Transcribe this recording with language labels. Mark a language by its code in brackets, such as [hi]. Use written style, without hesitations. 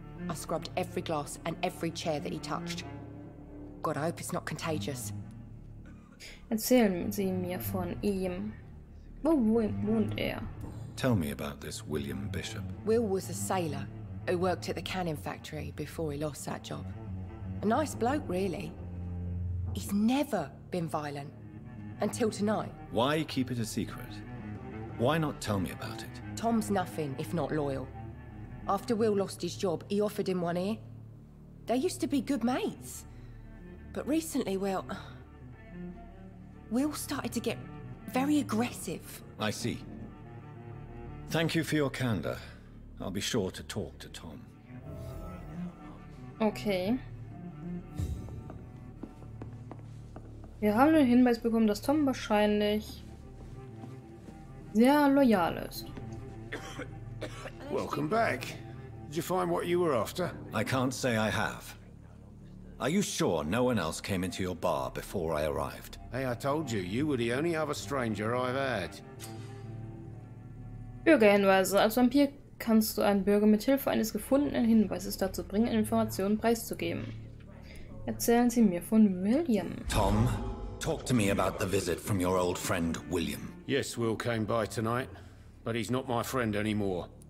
[en] I scrubbed every glass and every chair that he touched. God, I hope it's not contagious. [de] Erzählen Sie mir von ihm. Wo wohnt er? [en] Tell me about this William Bishop. Will was a sailor who worked at the cannon factory before he lost that job. A nice bloke, really. He's never been violent. Until tonight. Why keep it a secret? Why not tell me about it? Tom's nothing if not loyal. After Will lost his job, he offered him one ear. They used to be good mates. But recently, well... Will started to get very aggressive. I see. Thank you for your candor. I'll be sure to talk to Tom. Okay. [de] Wir haben den Hinweis bekommen, dass Tom wahrscheinlich sehr loyal ist. [en] Welcome back. Did you find what you were after? I can't say I have. Are you sure no one else came into your bar before I arrived? Hey, I told you, you were the only other stranger I've had. [de] Bürgerhinweise. Als Vampir kannst du einen Bürger mit Hilfe eines gefundenen Hinweises dazu bringen, Informationen preiszugeben. Erzählen Sie mir von William. [en] Tom, talk to me about the visit from your old friend William. Yes, Will came by tonight, but he's not my friend anymore.